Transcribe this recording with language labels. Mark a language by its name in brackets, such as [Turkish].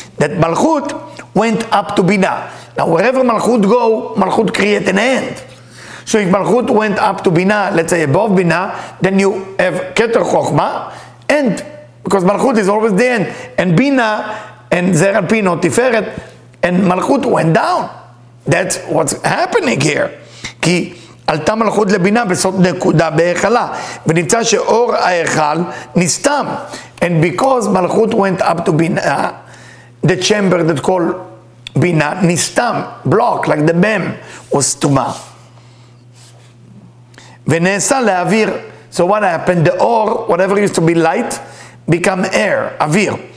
[English] That Malchut went up to Bina. Now wherever Malchut go, Malchut create an end. So if Malchut went up to Bina, let's say above Bina, then you have Keter Chochma, end. Because Malchut is always the end. And Bina and Zerapin or Tiferet, and Malchut went down. That's what's happening here. [Hebrew] Ki עלתה מלכות לבינה בסוד נקודה בהיכלה, ונמצא שאור ההיכל נסתם. [English] And because מלכות went up to בינה, the chamber that called בינה נסתם, block, like the mem, was סתומה. [Hebrew] ונעשה לאוויר. [English] So what happened? The אור, whatever used to be light, become air, אוויר.